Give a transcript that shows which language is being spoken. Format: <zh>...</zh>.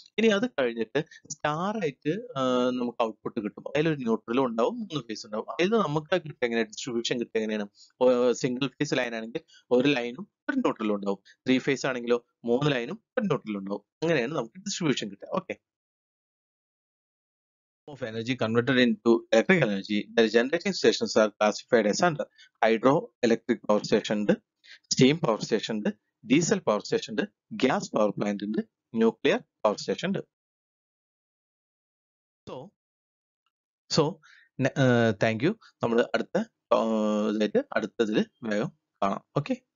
<ml>ഇനി അത് കഴിഞ്ഞിട്ട് സ്റ്റാർ ആയിട്ട് നമുക്ക് ഔട്ട്പുട്ട് കിട്ടും, അതിലൊരു ന്യൂട്രലും ഉണ്ടാവും, മൂന്ന് ഫേസ് ഉണ്ടാവും. അതിൽ നിന്ന് നമുക്ക് കിട്ടുക എങ്ങനെയാണ്, ഡിസ്ട്രിബ്യൂഷൻ കിട്ടുക എങ്ങനെയാണ്, സിംഗിൾ ഫേസ് ലൈനാണെങ്കിൽ ഒരു ലൈനും ഒരു ന്യൂട്രലും ഉണ്ടാവും, ത്രീ ഫേസ് ആണെങ്കിലോ മൂന്ന് ലൈനും ഒരു ന്യൂട്രലും ഉണ്ടാവും. അങ്ങനെയാണ് നമുക്ക് ഡിസ്ട്രിബ്യൂഷൻ കിട്ടുക.</ml> <en>Okay, of energy converted into electrical energy, the generating stations are classified as under hydro electric power station, steam power station, diesel power station, gas power plant and nuclear power station. So thank you.</en> <ml>നമ്മൾ അടുത്ത അടുത്തതില് വേഗം കാണാം. Okay.</ml>